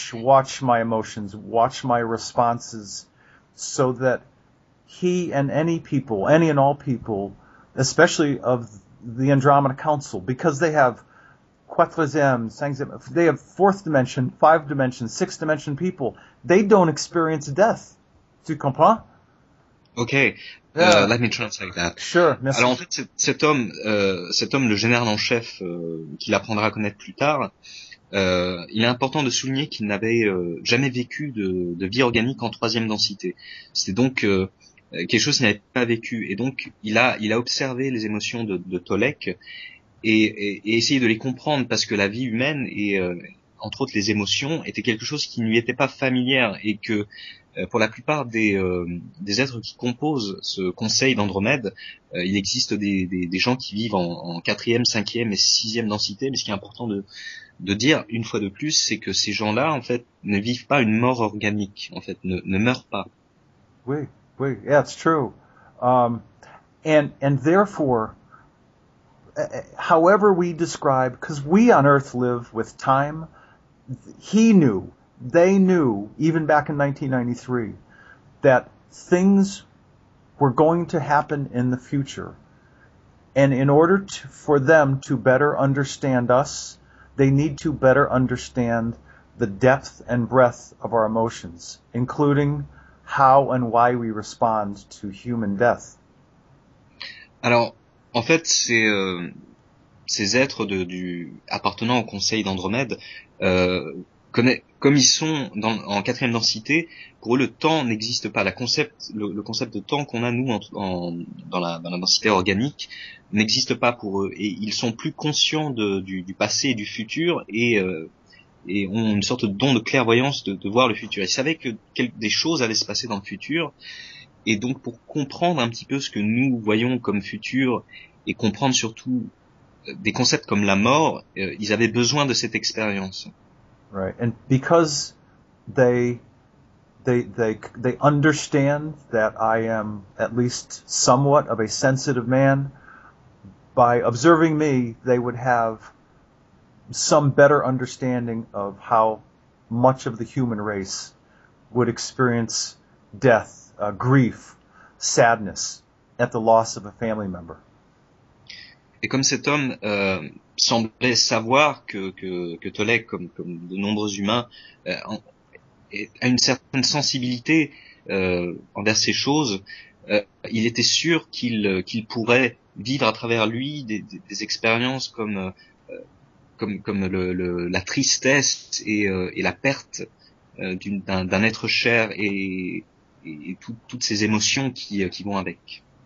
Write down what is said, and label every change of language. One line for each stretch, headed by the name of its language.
English: Watch my emotions, watch my responses, so that he and any and all people, especially of the Andromeda Council, because they have
French: quatrième, cinquième,
English: they have fourth dimension, five dimension, six dimension people, they don't experience death.
French: Tu comprends?
English: Okay. Yeah. Let me translate that. Sure.
French: Merci. Alors en fait, cet homme, le général en chef, qu'il apprendra à connaître plus tard, il est important de souligner qu'il n'avait jamais vécu de vie organique en troisième densité. C'était donc quelque chose qu'il n'avait pas vécu. Et donc, il a observé les émotions de Tolek et essayé de les comprendre parce que la vie humaine et, entre autres, les émotions étaient quelque chose qui ne lui était pas familière et que, pour la plupart des êtres qui composent ce conseil d'Andromède, il existe des gens qui vivent en quatrième, cinquième et sixième densité. Mais ce qui est important de dire une fois de plus, c'est que ces gens-là, en fait, ne vivent pas une mort organique, en fait, ne meurent pas.
English: Oui, that's true. And therefore, however we describe, because we on Earth live with time, he knew, they knew, even back in 1993, that things were going to happen in the future. And in order for them to better understand us, they need to better understand the depth and breadth of our emotions, including how and why we respond to human death.
French: Alors, en fait, ces êtres appartenant au conseil d'Andromède, comme ils sont en quatrième densité, pour eux, le temps n'existe pas. Le concept de temps qu'on a, nous, dans la densité organique, n'existe pas pour eux. Et ils sont plus conscients du passé et du futur et ont une sorte de don de clairvoyance de voir le futur. Ils savaient des choses allaient se passer dans le futur. Et donc, pour comprendre un petit peu ce que nous voyons comme futur et comprendre surtout des concepts comme la mort, ils avaient besoin de cette expérience.
English: Right, and because they understand that I am at least somewhat of a sensitive man, by observing me, they would have some better understanding of how much of the human race would experience death, grief, sadness at the loss of a family member.
French: Et comme cet homme semblait savoir que Tolek, comme de nombreux humains, a une certaine sensibilité envers ces choses, il était sûr qu'il pourrait vivre à travers lui des expériences comme la tristesse et la perte d'un être cher et toutes ces émotions qui vont avec.